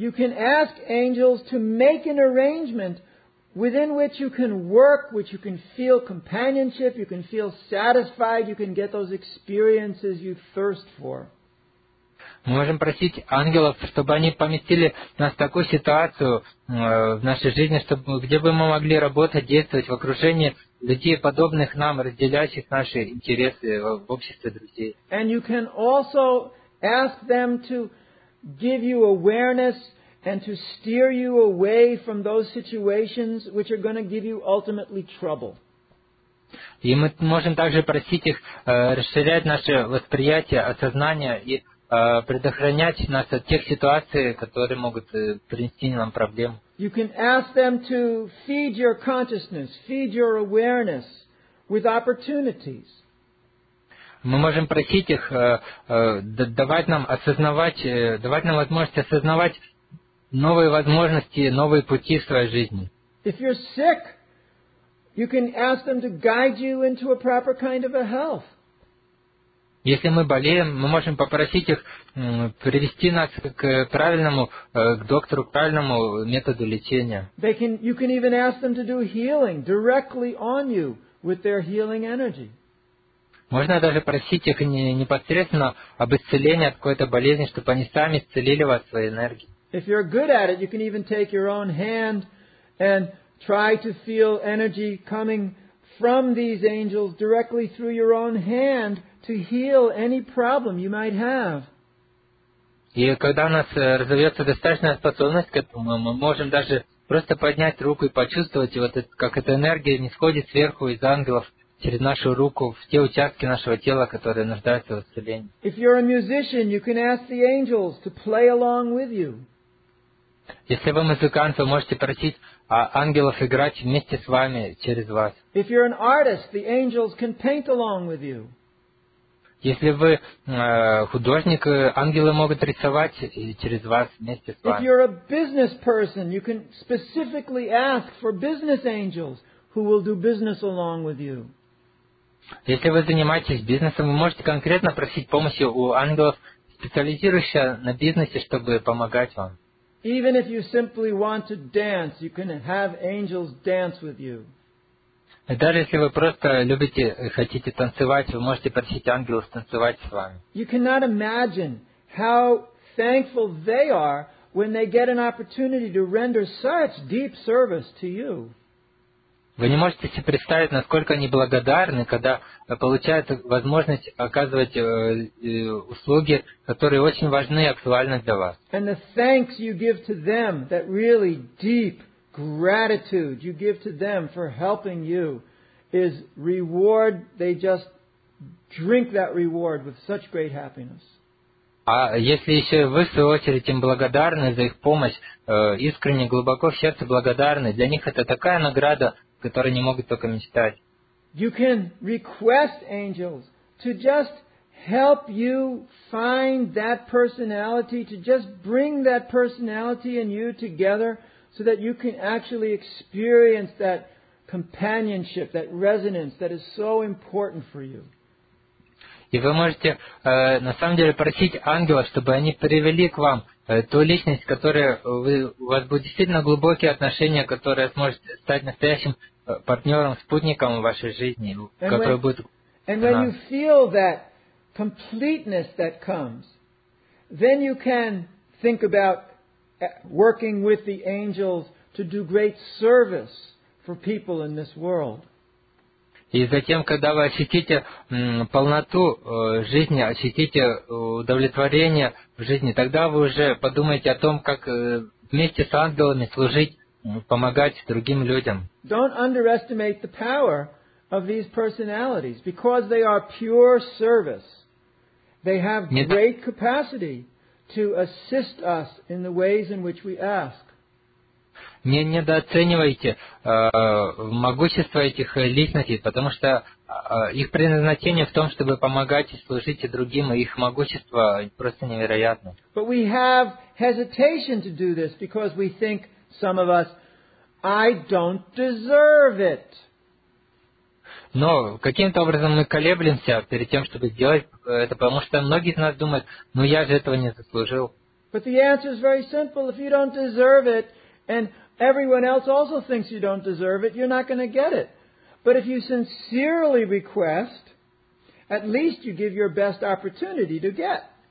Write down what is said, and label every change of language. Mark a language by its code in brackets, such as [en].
[en] You can ask angels to make an arrangement within which you can work, which you can feel companionship, you can feel satisfied, you can get those experiences you thirst for. [ru] Мы можем просить ангелов, чтобы они поместили нас в такую ситуацию в нашей жизни, чтобы, где бы мы могли работать, действовать в окружении людей, подобных нам, разделяющих наши интересы в обществе друзей. [en] And you can also ask them to give you awareness and to steer you away from those situations which are going to give you ultimately trouble. [ru] И мы можем также просить их расширять наше восприятие, осознание и предохранять нас от тех ситуаций, которые могут принести нам проблему. [en] You can ask them to feed your consciousness, feed your awareness with opportunities. [ru] Мы можем просить их давать нам осознавать, давать нам возможность осознавать новые возможности, новые пути в своей жизни. [en] If you're sick, you can ask them to guide you into a proper kind of a health. [ru] Если мы болеем, мы можем попросить их привести нас к правильному, к доктору, к правильному методу лечения. [en] You can even ask them to do healing directly on you with their healing energy. [ru] Можно даже просить их непосредственно об исцелении от какой-то болезни, чтобы они сами исцелили вас своей энергией. [en] If you're good at it, you can even take your own hand and try to feel energy coming from these angels directly through your own hand to heal any problem you might have. [ru] И когда у нас развивается достаточная способность к этому, мы можем даже просто поднять руку и почувствовать, вот это, как эта энергия нисходит сверху из ангелов через нашу руку в те участки нашего тела, которые нуждаются в исцелении. [en] If you're a musician, you can ask the angels to play along with you. [ru] Если вы музыкант, вы можете просить ангелов играть вместе с вами через вас. [en] If you're an artist, the angels can paint along with you. [ru] Если вы художник, ангелы могут рисовать через вас вместе с вами. [en] If you're a business person, you can specifically ask for business angels who will do business along with you. [ru] Если вы занимаетесь бизнесом, вы можете конкретно просить помощи у ангелов, специализирующихся на бизнесе, чтобы помогать вам. [en] Even if you simply want to dance, you can have angels dance with you. [ru] Даже если вы просто любите и хотите танцевать, вы можете просить ангелов танцевать с вами. [en] You cannot imagine how thankful they are when they get an opportunity to render such deep service to you. [ru] Вы не можете себе представить, насколько они благодарны, когда получают возможность оказывать услуги, которые очень важны и актуальны для вас. [en] And the thanks you give to them, that really deep gratitude you give to them for helping you, is reward. They just drink that reward with such great happiness. [ru] А если еще вы, в свою очередь, им благодарны за их помощь, искренне, глубоко в сердце благодарны, для них это такая награда, которые не могут только мечтать. [en] You can request angels to just help you find that personality, to just bring that personality and you together so that you can actually experience that companionship, that resonance that is so important for you. [ru] И вы можете на самом деле просить ангелов, чтобы они привели к вам ту личность, которая вы, у вас будет действительно глубокие отношения, которая сможет стать настоящим партнером, спутником в вашей жизни, который будет. [en] And when you feel that completeness that comes, then you can think about working with the angels to do great service for people in this world. [ru] И затем, когда вы ощутите полноту жизни, ощутите удовлетворение в жизни, тогда вы уже подумаете о том, как вместе с ангелами служить, помогать другим людям. [en] Don't underestimate the power of these personalities. Because they are pure service, they have great capacity to assist us in the ways in which we ask. [ru] Не недооценивайте могущество этих личностей, потому что их предназначение в том, чтобы помогать и служить другим, и их могущество просто невероятно. [en] But we have hesitation to do this because we think, some of us, I don't deserve it. [ru] Но каким-то образом мы колеблемся перед тем, чтобы сделать это, потому что многие из нас думают, ну я же этого не заслужил. [en] But the answer is very simple. If you don't deserve it, and everyone else also thinks you don't deserve it, you're not going to get it. But if you sincerely request, at least you give your best opportunity to get.